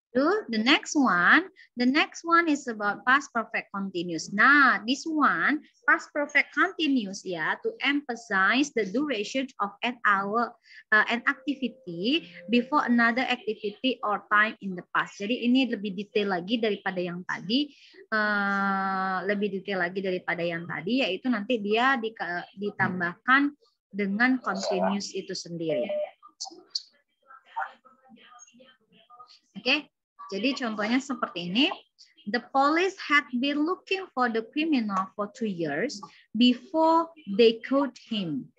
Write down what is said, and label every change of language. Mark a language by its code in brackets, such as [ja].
[en] The next one is about past perfect continuous. Nah, this one, past perfect continuous, yeah, to emphasize the duration of an activity before another activity or time in the past. [id] Jadi ini lebih detail lagi daripada yang tadi, yaitu nanti dia ditambahkan dengan continuous itu sendiri. Oke. Jadi contohnya seperti ini. [en] The police had been looking for the criminal for 2 years before they caught him.